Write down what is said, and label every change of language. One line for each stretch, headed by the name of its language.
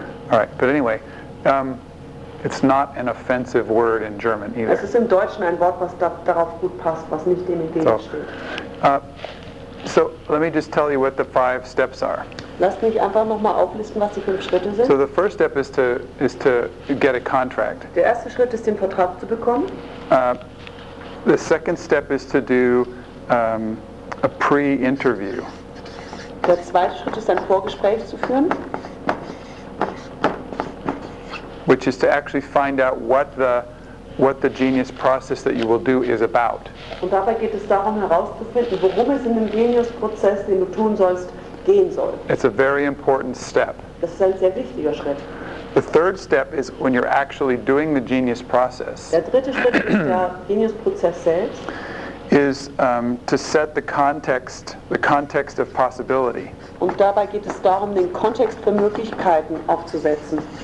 English: All right, but anyway, it's not an offensive word in German either.
German: Es ist im Deutschen ein Wort, was darauf gut passt, was nicht dem entgegensteht.
English: So let me just tell you what the 5 steps are.
German: Lass mich einfach nochmal auflisten, was die 5 Schritte sind.
English: So the first step is to get a contract.
German: Der erste Schritt ist, den Vertrag zu bekommen.
English: The second step is to do a pre-interview.
German: Der zweite Schritt ist, ein Vorgespräch zu führen.
English: Which is to actually find out what the genius process that you will do is about.
German: Und dabei geht es darum herauszufinden, worum es in dem Genius-Prozess, den du tun sollst, gehen soll.
English: It's a very important step.
German: Das ist ein sehr wichtiger Schritt.
English: The third step is when you're actually doing the genius process.
German: Der dritte Schritt ist der Genius-Prozess selbst.
English: Is to set the context of possibility.
German: Und dabei geht es darum, den Kontext für Möglichkeiten aufzusetzen.